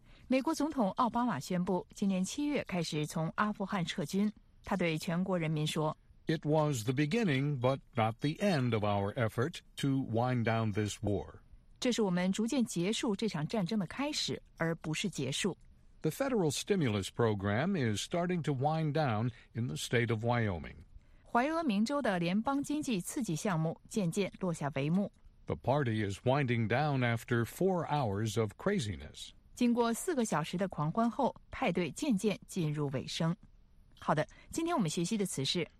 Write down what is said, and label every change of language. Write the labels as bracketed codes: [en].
[zh] 美国总统奥巴马宣布今年七月开始从阿富汗撤军。他对全国人民说 [en] It was the beginning, but not the end of our effort to wind down this war. [zh] 这是我们逐渐结束这场战争的开始而不是结束。 [en] The federal stimulus program is starting to wind down in the state of Wyoming. [zh] 怀俄明州的联邦经济刺激项目渐渐落下帷幕。 [en] The party is winding down after 4 hours of craziness. [zh] 经过四个小时的狂欢后，派对渐渐进入尾声。好的，今天我们学习的词是